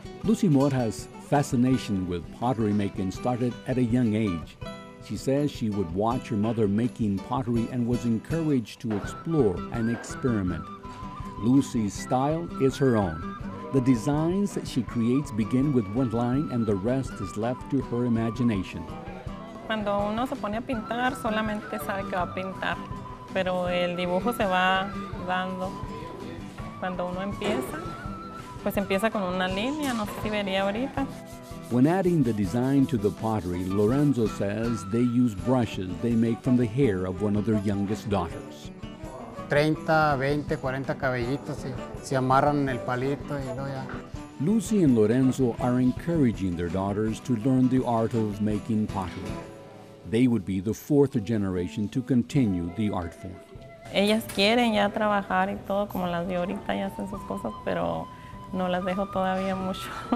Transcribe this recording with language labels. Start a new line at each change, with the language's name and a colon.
English: Lucy Mora's fascination with pottery making started at a young age. She says she would watch her mother making pottery and was encouraged to explore and experiment. Lucy's style is her own. The designs that she creates begin with one line and the rest is left to her imagination.
Spanish: Cuando uno se pone a pintar, solamente sabe que va a pintar, pero el dibujo se va dando. Cuando uno empieza, pues empieza con una línea, no sé si vería ahorita.
English: When adding the design to the pottery, Lorenzo says they use brushes they make from the hair of one of their youngest daughters.
Spanish: 30, 20, 40 cabellitos, se amarran en el palito y lo ya.
English: Lucy and Lorenzo are encouraging their daughters to learn the art of making pottery. They would be the fourth generation to continue the art form.
Spanish: Ellas quieren ya trabajar y todo, como las de ahorita ya hacen sus cosas, pero no las dejo todavía mucho.